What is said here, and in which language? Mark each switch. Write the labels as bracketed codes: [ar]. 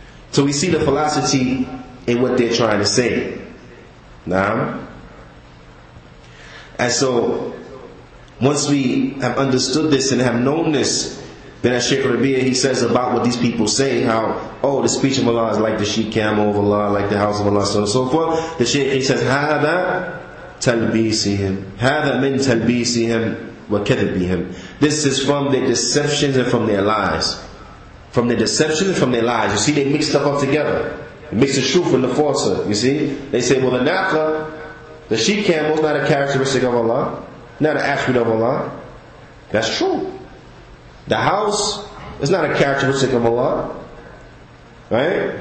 [en] So we see the philosophy in what they're trying to say. Now, and so, once we have understood this and have known this, then as Shaykh Rabia, he says about what these people say, how, oh, the speech of Allah is like the Shekham of Allah, like the house of Allah, so on and so forth. The Shaykh, he says, [ar] هذا تلبيسهم هذا من تلبيسهم وكذبهم. [en] This is from their deceptions and from their lies. From their deceptions and from their lies. You see, they mix stuff up together. They mix the truth and the falsehood, you see. They say, well, the Naqa, the Shekham was not a characteristic of Allah. Not an attribute of Allah. That's true. The house is not a characteristic of Allah. Right?